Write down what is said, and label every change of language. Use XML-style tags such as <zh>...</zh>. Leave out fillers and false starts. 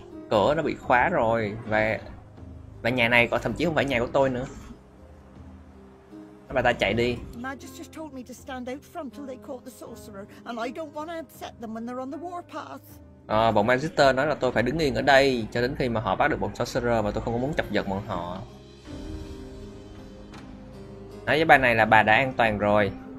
<vi>Cửa nó bị khóa rồi và nhà này còn thậm chí không phải nhà của tôi nữa. Bà ta chạy đi.</vi> <en>Magisters told me to stand out front till they caught the sorcerer, and I don't want to upset them when they're on the war path.</en> <vi>À, bọn Magister nói là tôi phải đứng yên ở đây cho đến khi mà họ bắt được bọn Sorcerer mà tôi không có muốn chọc giận bọn họ. Nói với bà này là bà đã an toàn rồi.</vi>